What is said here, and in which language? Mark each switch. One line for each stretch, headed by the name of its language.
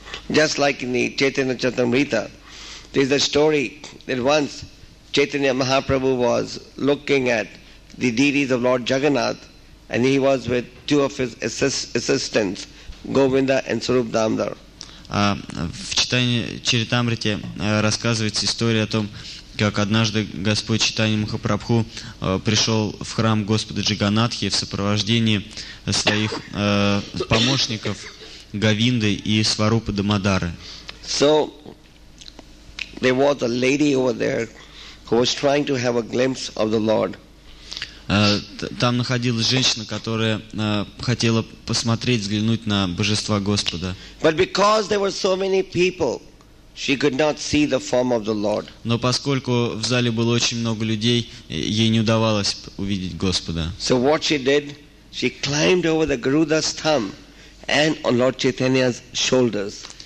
English: Just like in the Chaitanya Charitamrita, there's a story that once Chaitanya Mahaprabhu was looking at the deities of Lord Jagannath, and he was with two of his assistants, Govinda and Swarup Damodar.
Russian: В читании Чаритамрите рассказывается история о том, как однажды Господь Чайтанья Махапрабху пришел в храм Господа Джаганнатхи в сопровождении своих помощников Говинды и Сварупы Дамодары.
English: So there was a lady over there who was trying to have a glimpse of the Lord.
Russian: Там находилась женщина, которая хотела посмотреть, взглянуть на Божество Господа.
English: But because there were so many people, she could not see the form of the Lord.
Russian: Но поскольку в зале было очень много людей, ей не удавалось увидеть Господа.
English: So what she did, she climbed over the Garuda's thumb and on Lord Chaitanya's shoulders.